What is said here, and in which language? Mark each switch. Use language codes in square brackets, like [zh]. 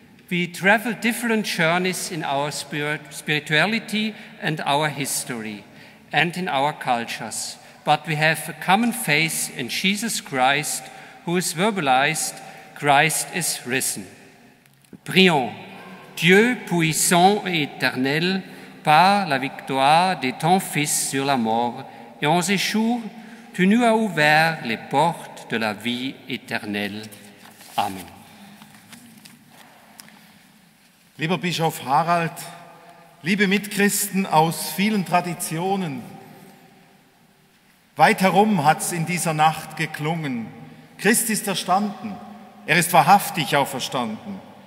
[en] We travel different journeys in our spirituality and our history and in our cultures, but we have a common faith in Jesus Christ, who is verbalized, Christ is risen. [fr] Prions. Dieu puissant et éternel, par la victoire de ton Fils sur la mort, et en ces jours, tu nous as ouvert les portes de la vie éternelle. Amen. [de] Lieber Bischof Harald, liebe Mitchristen aus vielen Traditionen, weit herum hat's in dieser Nacht geklungen. Christ ist erstanden, er ist wahrhaftig auferstanden.